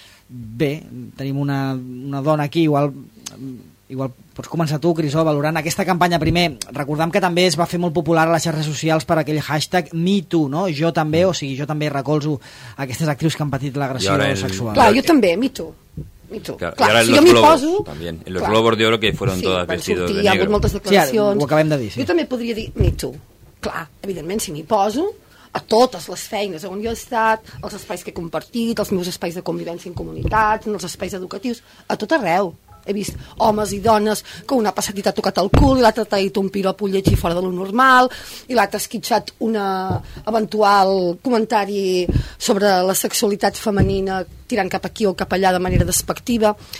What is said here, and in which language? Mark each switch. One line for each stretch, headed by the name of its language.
Catalan: Bé, tenim una dona aquí, igual pots començar tu, Crisó, valorant aquesta campanya. Primer, recordem que també es va fer molt popular a les xarxes socials per aquell hashtag MeToo, no? Jo també, o sigui, jo també recolzo aquestes actrius que han patit l'agressió sexual. Clar, jo també, MeToo.
Spanish: Claro,
Catalan: si jo m'hi poso...
Spanish: También. En los Globos de Oro, que fueron todas vestidos de negro.
Catalan: Hi ha hagut moltes declaracions. Sí, ho acabem de dir, sí. Jo també podria dir MeToo. Clar, evidentment, si m'hi poso, a totes les feines on jo he estat, els espais que he compartit, els meus espais de convivència en comunitats, en els espais educatius, a tot arreu. He vist homes i dones que una ha passat i t'ha tocat el cul i l'altra t'ha dit un piropo lleig i fora de lo normal i l'altra ha esquitxat un eventual comentari sobre la sexualitat femenina tirant cap aquí o cap allà de manera despectiva.